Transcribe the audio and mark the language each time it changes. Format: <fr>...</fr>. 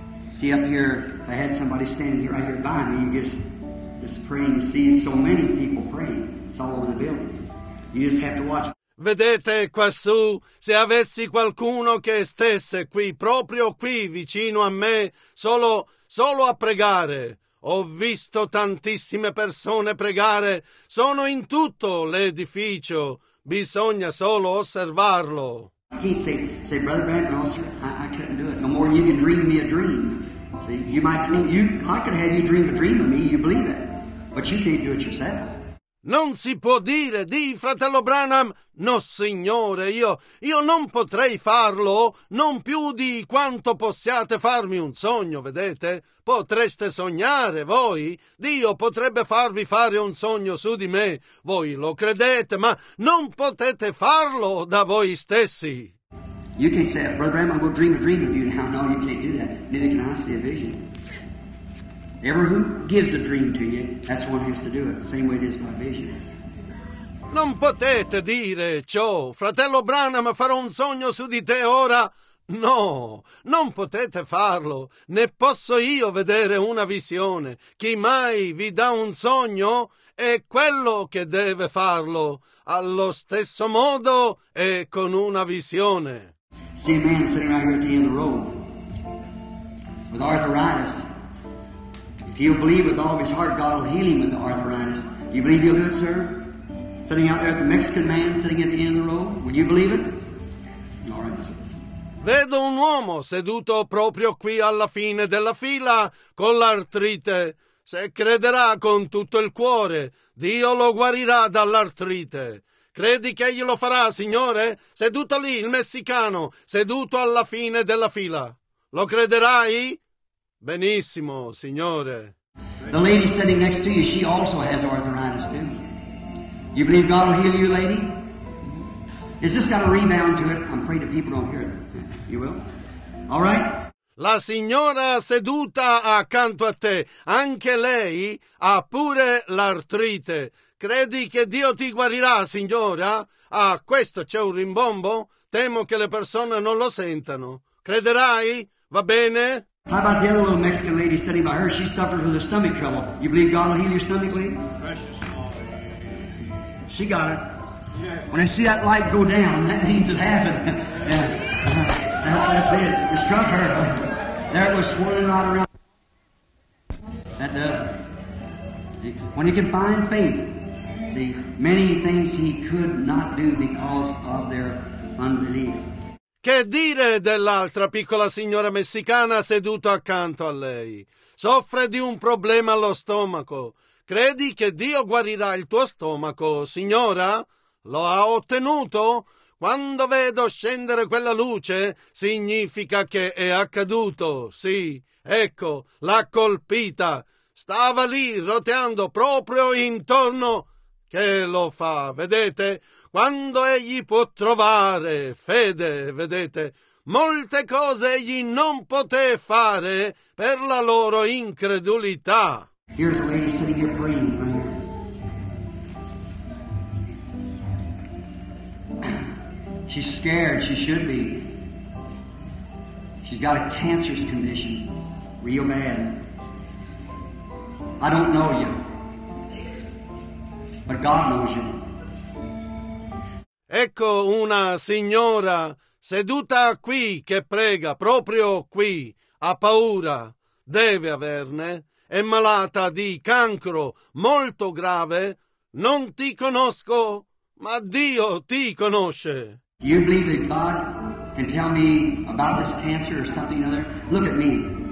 <en>See up here, if I had somebody stand here right here by me, you just pray. You see so many people praying. It's all over the building. You just have to watch.</en> <it>Vedete quassù, se avessi qualcuno che stesse qui, proprio qui vicino a me, solo a pregare. Ho visto tantissime persone pregare. Sono in tutto l'edificio. Bisogna solo osservarlo.</it> <en>He'd say Brother Grant, no, sir, I couldn't do it. No more you can dream me a dream. See, you might dream, I could have you dream a dream of me. You believe it. But you can't do it yourself.</en> <it>Non si può dire di fratello Branham: no signore, io non potrei farlo, non più di quanto possiate farmi un sogno, vedete? Potreste sognare voi? Dio potrebbe farvi fare un sogno su di me, voi lo credete, ma non potete farlo da voi stessi.</it> <en>You can't say, Brother Branham, I'm going to dream a dream of you now. No, you can't do that. Neither can I see a vision. Ever who gives a dream to you, that's the one who has to do it. Same way it is by vision.</en> <it>Non potete dire ciò. Fratello Branham, farò un sogno su di te ora. No, non potete farlo. Né posso io vedere una visione. Chi mai vi dà un sogno è quello che deve farlo. Allo stesso modo è con una visione.</it> <en>See a man sitting right here at the end of the road with arthritis. If he'll believe with all of his heart, God will heal him with the arthritis. You believe he'll do it, sir? Sitting out there at the Mexican man sitting at the end of the road, will you believe it? All right, sir.</en> <it>Vedo un uomo seduto proprio qui alla fine della fila con l'artrite. Se crederà con tutto il cuore, Dio lo guarirà dall'artrite. Credi che egli lo farà, signore? Seduto lì, il messicano, seduto alla fine della fila. Lo crederai? Benissimo, signore.</it> <en>The lady sitting next to you, she also has arthritis too. You believe God will heal you, lady? Is this got a rebound to it? I'm afraid that people don't hear it. You will? All right?</en> <it>La signora seduta accanto a te, anche lei ha pure l'artrite. Credi che Dio ti guarirà, signora? Ah, questo c'è un rimbombo? Temo che le persone non lo sentano. Crederai? Va bene?</it> <en>How about the other little Mexican lady sitting by her? She suffered with a stomach trouble. You believe God will heal your stomach, lady? She got it. When I see that light go down, that means it happened. Yeah. That's it. It struck her. There it was swirling right around. That does it. When you can find faith, see, many things he could not do because of their unbelief.</en> <it>Che dire dell'altra piccola signora messicana seduta accanto a lei? Soffre di un problema allo stomaco. Credi che Dio guarirà il tuo stomaco, signora? Lo ha ottenuto? Quando vedo scendere quella luce, significa che è accaduto. Sì, ecco, l'ha colpita. Stava lì, roteando proprio intorno. Che lo fa, vedete? Quando egli può trovare fede, vedete? Molte cose egli non poté fare per la loro incredulità.</it> <en>Here's a lady sitting here praying right here. She's scared, she should be. She's got a cancerous condition, real bad. I don't know you. But God knows you.</en> <it>Ecco una signora seduta qui che prega, proprio qui, ha paura, deve averne, è malata di cancro molto grave, non ti conosco, ma Dio ti conosce.</it> <en>You believe that God can tell me about this cancer or something other? Look at me.</en>